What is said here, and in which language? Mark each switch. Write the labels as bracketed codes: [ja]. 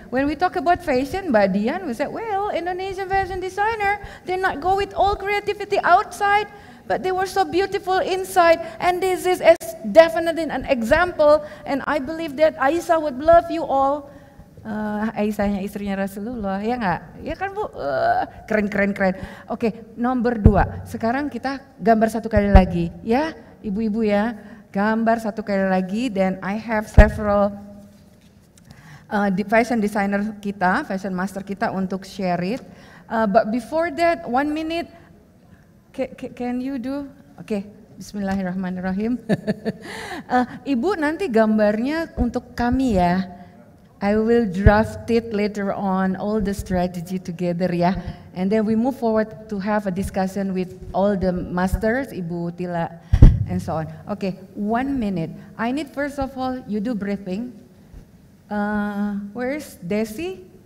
[en] When we talk about fashion, Mbak Dian, we said, well, Indonesian fashion designer, they not go with all creativity outside, but they were so beautiful inside, and this is definitely an example, and I believe that Aisyah would love you all. [id] Aisyahnya istrinya Rasulullah, ya enggak? Ya kan Bu? Keren. Oke, nomor 2. Sekarang kita gambar satu kali lagi, ya ibu-ibu ya. Gambar satu kali lagi, dan [en] I have several fashion designer kita, fashion master kita untuk share it. But before that, 1 minute, can you do? Oke, okay. [ar] Bismillahirrahmanirrahim. [id] Ibu, nanti gambarnya untuk kami ya. [en] I will draft it later on, all the strategy together ya. And then we move forward to have a discussion with all the masters, Ibu Tila. And so on. Okay, 1 minute. I need first of all you do breathing. Where's Desi?